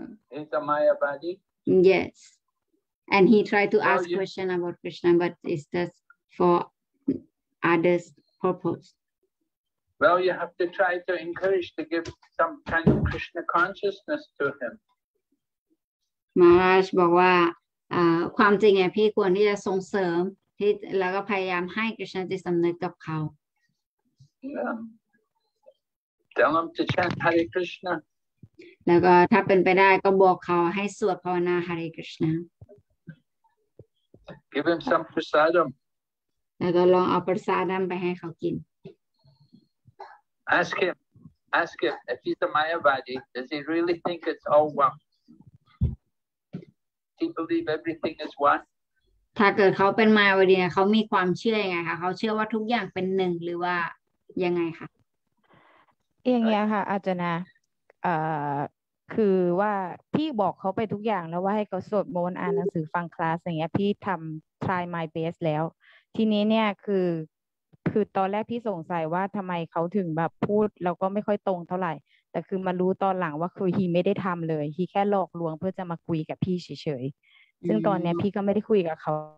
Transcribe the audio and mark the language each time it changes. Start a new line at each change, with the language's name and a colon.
English: He's a Mayavadi. Yes, and he tried to ask question about Krishna, but it's just for others' purpose. Well, you have to try to encourage to give some kind of Krishna consciousness to him.
Thai: Maharaj บอกว่า ความจริงเนี่ยพี่ควรที่จะส่งเสริม แล้วก็พยายามให้ Krishna จิตสำนึกกับเขา. Yeah.
English: Tell him to chant Hare Krishna.
Thai: แล้วก็ถ้าเป็นไปได้ก็บอกเขาให้สวดภาวนา Hare Krishna.
English: Give him some prasadam.
Thai: แล้วก็ลองเอาประสาดัมไปให้เขากิน.
English: Ask him if he's a Mayavadi, does he really think it's all one? Does he believe everything is one?
Thai: ถ้าเกิดเขาเป็น Mayavadi เขามีความเชื่อยังไงคะ เขาเชื่อว่าทุกอย่างเป็นหนึ่ง หรือว่ายังไงคะ อย่างเงี้ยค่ะ อาจารย์ คือว่าพี่บอกเขาไปทุกอย่างแล้วว่าให้เขาสวดมนต์ อ่านหนังสือฟังคลาสอย่างเงี้ย พี่ทำ
English: try my best
Thai: แล้ว ทีนี้เนี่ยคือ คือตอนแรกพี่สงสัยว่าทำไมเขาถึงแบบพูดแล้วก็ไม่ค่อยตรงเท่าไหร่แต่คือมารู้ตอนหลังว่าคือ he ไม่ได้ทำเลยที่แค่หลอกลวงเพื่อจะมาคุยกับพี่เฉยๆซึ่งตอนนี้พี่ก็ไม่ได้คุยกับเขา